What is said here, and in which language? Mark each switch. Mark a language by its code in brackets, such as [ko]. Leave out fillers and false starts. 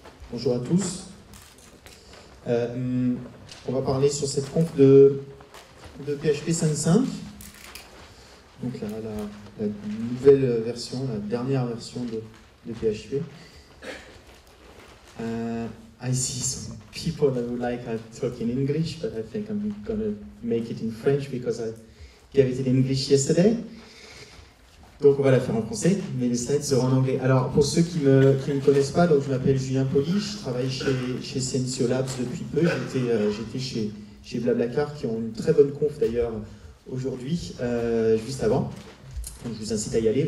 [fr] Bonjour à tous. On va parler sur cette conf de PHP 5.5. Donc la nouvelle version, la dernière version de PHP. [en] I see some people that would like to talk in English, but I think I'm going to make it in French because I gave it in English yesterday. [fr] Donc on va la faire en français, mais les slides seront en anglais. Alors pour ceux qui ne connaissent pas, donc je m'appelle Julien Poli, je travaille chez Sensio Labs depuis peu. J'étais chez BlaBlaCar, qui ont une très bonne conf d'ailleurs aujourd'hui, juste avant. Donc je vous incite à y aller.